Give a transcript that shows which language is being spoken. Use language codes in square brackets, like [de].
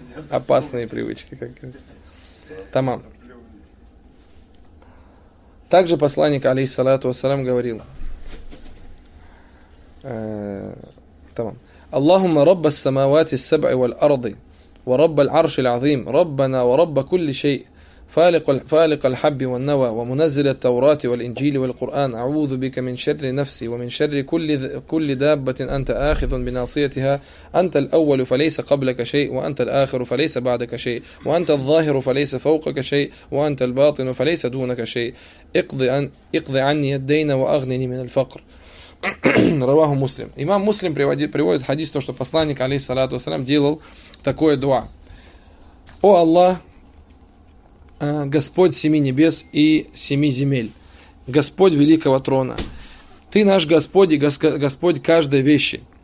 [ru] Опасные привычки, как говорится. Тамам. Также посланник, алейхиссалату вассалям, говорил. [ar] Тамам. Аллахумма рабба ас-самавати ас-саб'и валь-арди, ва рабба аль-арши аль-азим, раббана ва рабба кулли шейй. فالق الحب والنوى ومنزل التوراة والإنجيل والقرآن أعوذ بك من شر نفسي ومن شر كل دابة أنت آخذ بناصيتها أنت الأول فليس قبلك شيء وأنت الآخر فليس بعدك شيء وأنت الظاهر فليس فوقك شيء وأنت الباطن فليس دونك شيء اقضي عني الدين وأغنني من الفقر رواه مسلم. [ru] إمام مسلم приводит حديث то, что посланник [ar] عليه الصلاة والسلام [ru] делал такое дуа. О Аллах, Господь семи небес и семи земель, Господь великого трона, Ты наш Господь и Господь каждой вещи.